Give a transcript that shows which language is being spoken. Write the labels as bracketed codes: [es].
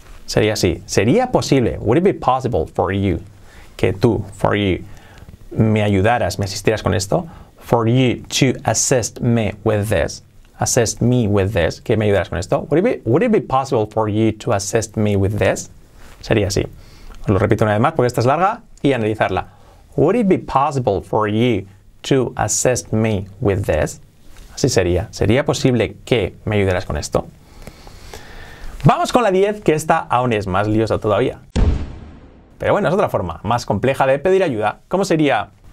[es] Sería así. ¿Sería posible? [en] Would it be possible for you? [es] Que tú, [en] for you, [es] me ayudaras, me asistieras con esto. [en] For you to assist me with this. Assist me with this. [es] ¿Qué me ayudarás con esto? [en] Would it be possible for you to assist me with this? [es] Sería así. Os lo repito una vez más porque esta es larga y analizarla. [en] Would it be possible for you to assist me with this? [es] Así sería. ¿Sería posible que me ayudarás con esto? Vamos con la 10, que esta aún es más liosa todavía. Pero bueno, es otra forma más compleja de pedir ayuda. ¿Cómo sería?